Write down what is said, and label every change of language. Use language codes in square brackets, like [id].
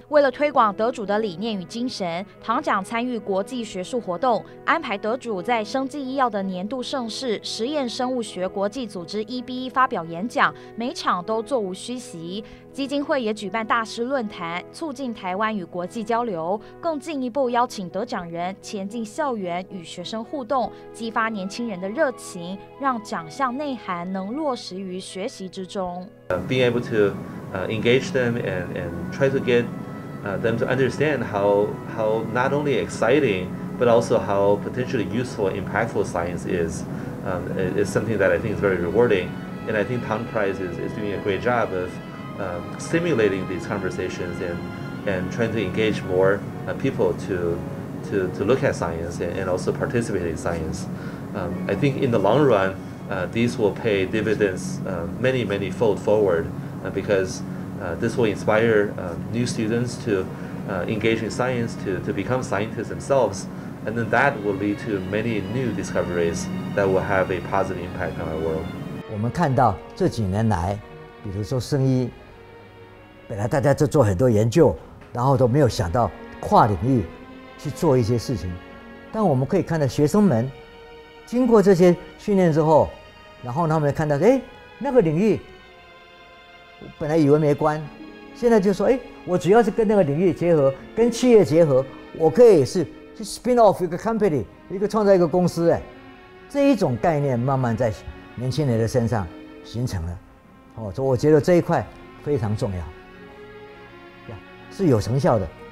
[zh] 为了推广得主的理念与精神，唐奖参与国际学术活动，安排得主在生技医药的年度盛事实验生物学国际组织 EBE 发表演讲，每场都座无虚席。基金会也举办大师论坛，促进台湾与国际交流，更进一步邀请得奖人前进校园与学生互动，激发年轻人的热情，让奖项内涵能落实于学习之中。 [en] Being able to engage them and try to get them to understand how not only exciting, but also how potentially useful, impactful science is. It's something that I think is very rewarding. And I think Tang Prize is doing a great job of stimulating these conversations and trying to engage more people to look at science and also participate in science. I think in the long run, these will pay dividends many, many fold forward because this will inspire new students to engage in science, to become scientists themselves. And then that will lead to many new discoveries that will have a positive impact on our world. [zh] 我们看到这几年来，比如说生医，本来大家就做很多研究，然后都没有想到跨领域去做一些事情。但我们可以看到学生们经过这些训练之后，然后他们看到，哎，那个领域本来以为没关，现在就说，哎，我只要是跟那个领域结合，跟企业结合，我可以是去 [en] spin off [zh] 一个 [en] company， [zh] 一个创造一个公司，哎，这一种概念慢慢在年轻人的身上形成了，哦，所以我觉得这一块非常重要，是有成效的。